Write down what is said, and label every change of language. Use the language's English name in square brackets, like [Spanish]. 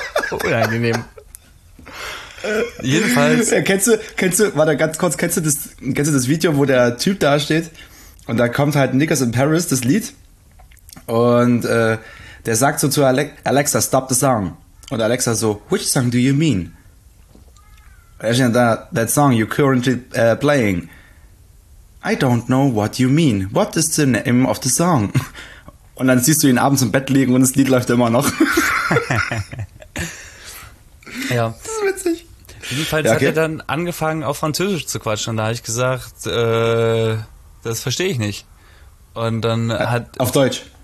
[German] Unangenehm. Jedenfalls. Ja, kennst du das Video, wo der Typ da steht und da kommt halt Niggas in Paris, das Lied, und der sagt so zu Alexa, [English] stop the song. [German] Und Alexa so, [English] which song do you mean? That song you're currently playing. I don't know what you mean. What is the name of the song? [German] Und dann siehst du ihn abends im Bett liegen und das Lied läuft immer noch. Ja. Das ist witzig. Jedenfalls ja, okay. Hat er dann angefangen, auf Französisch zu quatschen. Und da habe ich gesagt, das verstehe ich nicht. Und dann hat... Auf Deutsch?